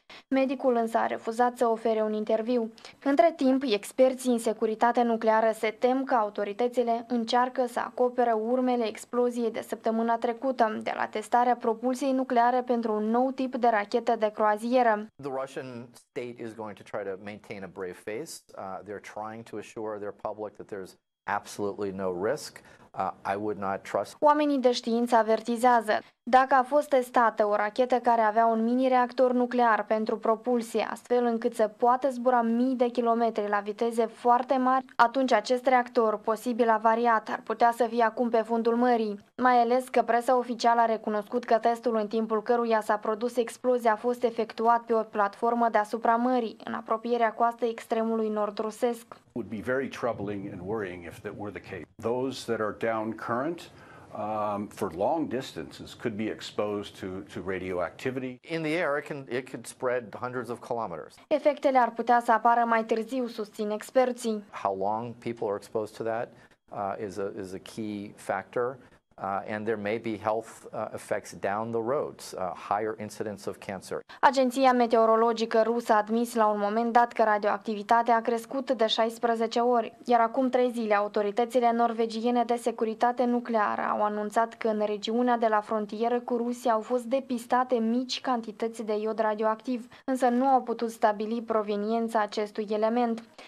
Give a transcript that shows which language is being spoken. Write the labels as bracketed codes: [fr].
[ro] Medicul însă a refuzat să ofere un interviu. Între timp, experții în securitate nucleară se tem că autoritățile încearcă să acopere urmele exploziei de săptămâna trecută, de la testarea propulsiei nucleare pentru un nou tip de rachetă de croazieră. [en] State is going to try to maintain a brave face. They're trying to assure their public that there's absolutely no risk. I would not trust. [ro] Oamenii de știință avertizează. Dacă a fost testată o rachetă care avea un mini-reactor nuclear pentru propulsie, astfel încât să poată zbura mii de kilometri la viteze foarte mari, atunci acest reactor, posibil avariat, ar putea să fie acum pe fundul mării. Mai ales că presa oficială a recunoscut că testul în timpul căruia s-a produs explozia a fost efectuat pe o platformă deasupra mării, în apropierea coastei extremului nord-rusesc. [en] Would be very troubling and worrying if that were the case. Those that are down current for long distances could be exposed to radioactivity. In the air, it could spread hundreds of kilometers. [ro] Efectele ar putea să apară mai târziu, susțin experții. [en] How long people are exposed to that is a key factor. And there may be health effects down the road, higher incidence of cancer. [ro] Agenția meteorologică rusă a admis la un moment dat că radioactivitatea a crescut de 16 ori, iar acum 3 zile autoritățile norvegiene de securitate nucleară au anunțat că în regiunea de la frontieră cu Rusia au fost depistate mici cantități de iod radioactiv, însă nu au putut stabili proveniența acestui element.